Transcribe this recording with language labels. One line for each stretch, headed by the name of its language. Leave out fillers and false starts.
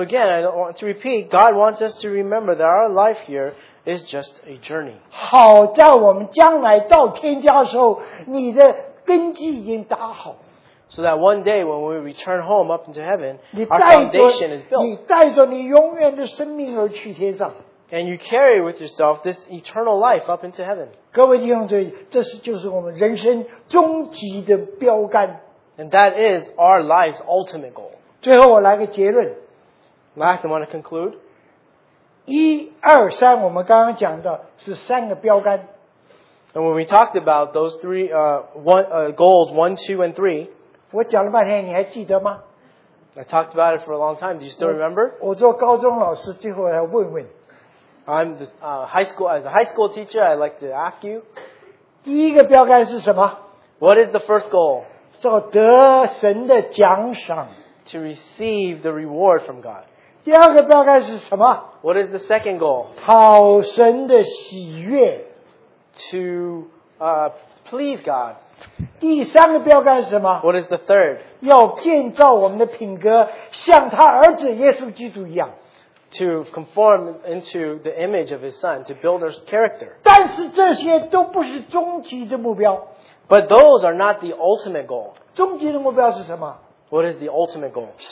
English: again, I don't want to repeat. God wants us to remember that our life here is just a journey.
Chinese: 好在我们将来到天家的时候，你的根基已经打好。
English: So that one day when we return home up into heaven, our foundation is built.
Chinese: 你带着你永远的生命而去天上。
English: And you carry with yourself this eternal life up into heaven.
Chinese: 各位弟兄姊妹，这是就是我们人生终极的标杆。
English: And that is our life's ultimate goal.
Chinese: 最后我来个结论。
English: Last, I want to conclude.
Chinese: 一二三，我们刚刚讲的是三个标杆。
English: And when we talked about those three, goals 1, 2, and 3.
Chinese: 我讲了半天，你还记得吗？
English: I talked about it for a long time. Do you still remember?
Chinese: 我做高中老师，最后来问问。
English: I'm the high school teacher. I'd like to ask you.
Chinese: 第一个标杆是什么?
English: What is the first goal?
Chinese: 叫得神的奖赏.
English: To receive the reward from God.
Chinese: 第二个标杆是什么?
English: What is the second goal?
Chinese: 讨神的喜悦.
English: To please God.
Chinese: 第三个标杆是什么?
English: What is the third?
Chinese: 要建造我们的品格，像他儿子耶稣基督一样。
English: To conform into the image of his son, to build his character. But those are not the ultimate goal.
Chinese: 终极的目标是什么?
English: What is the ultimate goal?